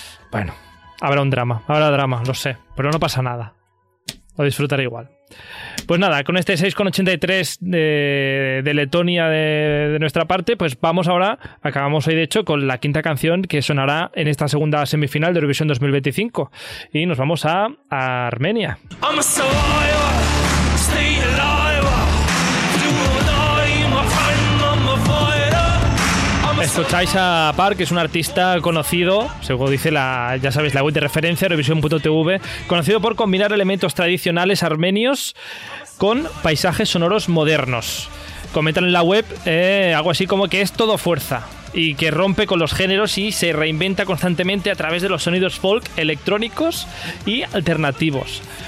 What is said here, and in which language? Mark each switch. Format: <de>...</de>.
<es>Bueno, habrá drama, lo sé, pero no pasa nada. Lo disfrutaré igual. Pues nada, con este 6,83 de Letonia de nuestra parte, pues vamos ahora, acabamos hoy de hecho con la quinta canción que sonará en esta segunda semifinal de Eurovisión 2025. Y nos vamos a Armenia.</es> <en>I'm a survivor, stay alive, do or die, my friend, I'm a fighter.</en> <es>Escucháis a Park, que es un artista conocido, según dice la, ya sabéis, la web de referencia, Eurovision.tv, conocido por combinar elementos tradicionales armenios con paisajes sonoros modernos. Comentan en la web algo así como que es todo fuerza y que rompe con los géneros y se reinventa constantemente a través de los sonidos folk, electrónicos y alternativos.</es>